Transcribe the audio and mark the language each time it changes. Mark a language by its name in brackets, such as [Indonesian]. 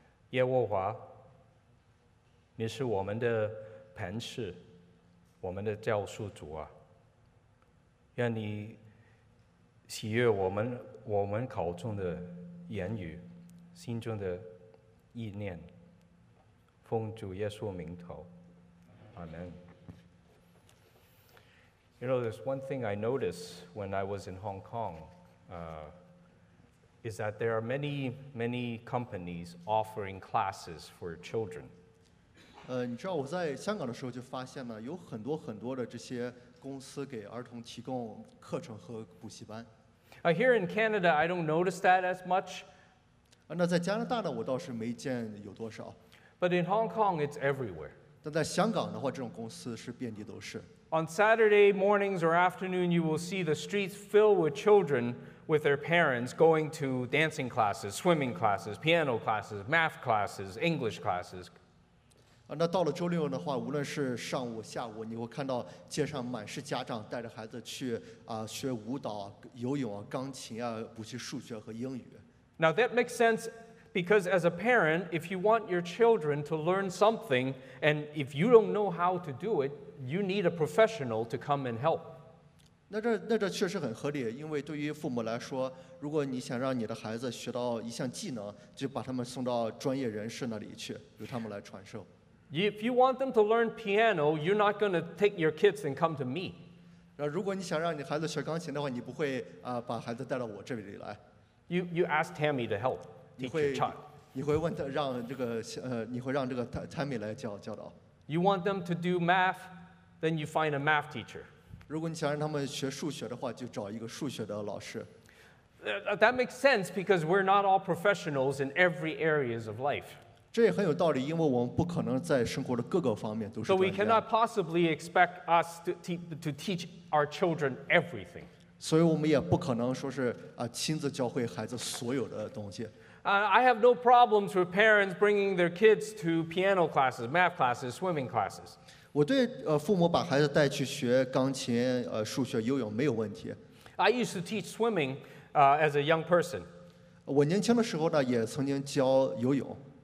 [Chinese] 耶和华，你是我们的磐石，我们的救赎主啊，愿你喜悦我们口中的言语，心中的意念，奉主耶稣名头，阿门。 [English] You know, there's one thing I noticed when I was in Hong Kong, is that there are many, many companies offering classes for children. [Chinese] 你知道我在香港的时候就发现了有很多很多的这些公司给儿童提供课程和补习班。 [English] Here in Canada, I don't notice that as much. [Chinese] 那在加拿大呢，我倒是没见有多少。 [English] But in Hong Kong, it's everywhere. [Chinese] 但在香港的话，这种公司是遍地都是。 [English] On Saturday mornings or afternoon, you will see the streets filled with children with their parents going to dancing classes, swimming classes, piano classes, math classes, English classes. [Chinese] 那到了周六的话，无论是上午、下午，你会看到街上满是家长带着孩子去学舞蹈、游泳、钢琴啊，补习数学和英语。 [English] Now that makes sense because as a parent, if you want your children to learn something, and if you don't know how to do it,You need a professional to come and help. [Chinese] 那这确实很合理，因为对于父母来说，如果你想让你的孩子学到一项技能，就把他们送到专业人士那里去，由他们来传授。 [English] If you want them to learn piano, you're not going to take your kids and come to me. [Chinese] 如果你想让你孩子学钢琴的话，你不会把孩子带到我这里来。 [English] You ask Tammy to help teach your child. [Chinese] 你会问他让这个你会让这个 Tammy 来教导。 [English] You want them to do math, then you find a math teacher. [Chinese] 如果你想让他们学数学的话，就找一个数学的老师。 [English] That makes sense because we're not all professionals in every areas of life. [Chinese] 这也很有道理，因为我们不可能在生活的各个方面都是专 [English] 家。So we cannot possibly expect us to teach our children everything. [Chinese] 所以我们也不可能说是亲自教会孩子所有的东西。 [English] I have no problems with parents bringing their kids to piano classes, math classes, swimming classes. [Chinese] 我对父母把孩子带去学钢琴、数学、游泳没有问题。 [English] I used to teach swimming as a young person. [Chinese] 我年轻的时候呢，也曾经教游泳。